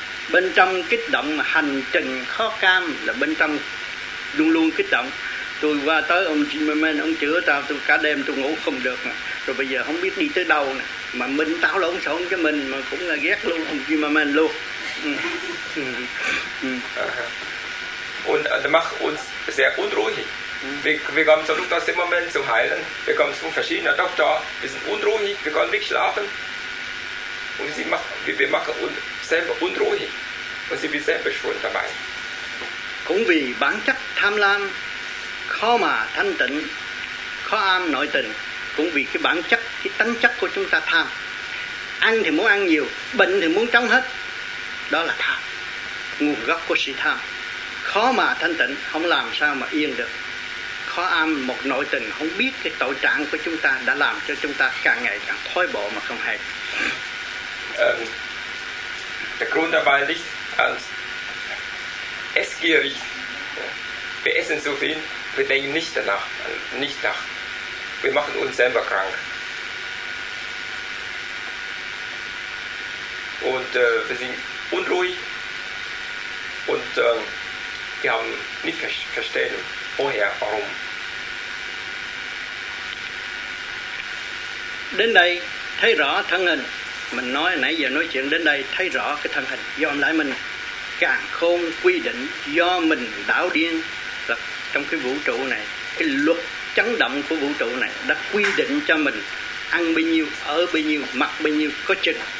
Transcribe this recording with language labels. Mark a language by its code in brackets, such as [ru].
[vi] Bên trong kích động mà hành trình khó cam là bên trong luôn luôn kích động. Tôi qua tới ông Zimmerman, ông chữa tao, tôi cả đêm tôi ngủ không được mà. Rồi bây giờ không biết đi tới đâu nè. Mà mình táo lộn xộn cho mình mà cũng là ghét luôn ông Zimmerman luôn. [de] Und macht uns sehr unruhig. Wir kommen zum Dr. Zimmermann zum Heilen. Wir kommen zum verschiedenen Doktor. Wir sind unruhig, wir können nicht schlafen. Und wir machen uns selber unruhig. Und sie sind selber schuld dabei. [vi] Cũng vì bản chất tham lam, khó mà thanh tịnh, khó am nội tình. Cũng vì cái bản chất, cái tánh chất của chúng ta tham. Ăn thì muốn ăn nhiều, bệnh thì muốn trống hết. Đó là tham. Nguồn gốc của sự tham. Khó mà thanh tịnh, không làm sao mà yên được. Khó am một nội tình, không biết cái tội trạng của chúng ta đã làm cho chúng ta càng ngày càng thối bộ mà không hay. [de] Der Grund dabei liegt als essgierig. Wir essen so viel, wir denken nicht danach, nicht nach. Wir machen uns selber krank. Und wir sind unruhig und wir haben nicht verstehen, woher, warum. [vi] đến đây thấy rõ thân hình. Mình nói nãy giờ nói chuyện đến đây thấy rõ cái thân hình. Do lại mình càng khôn quy định, do mình đảo điên là trong cái vũ trụ này, cái luật chấn động của vũ trụ này đã quy định cho mình ăn bao nhiêu, ở bao nhiêu, mặc bao nhiêu, có chừng.